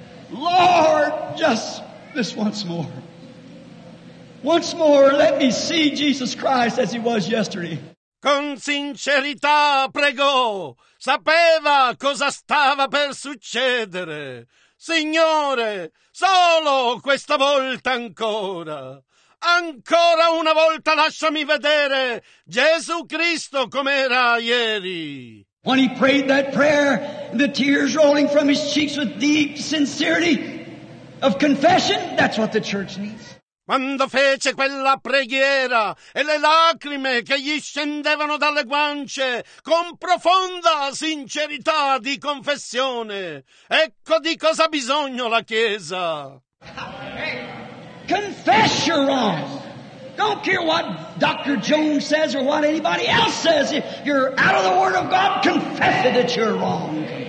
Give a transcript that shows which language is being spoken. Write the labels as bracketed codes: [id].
[en] Lord, just this once more. Once more, let me see Jesus Christ as he was yesterday. [it] Con sincerità pregò. Sapeva cosa stava per succedere. Signore, solo questa volta ancora. Ancora una volta lasciami vedere Gesù Cristo com'era ieri. [en] When he prayed that prayer, the tears rolling from his cheeks with deep sincerity of confession, that's what the church needs. [it] Quando fece quella preghiera e le lacrime che gli scendevano dalle guance con profonda sincerità di confessione, ecco di cosa ha bisogno la Chiesa. [en] Hey, confess your wrongs. Don't care what Dr. Jones says or what anybody else says. If you're out of the Word of God, confess it that you're wrong.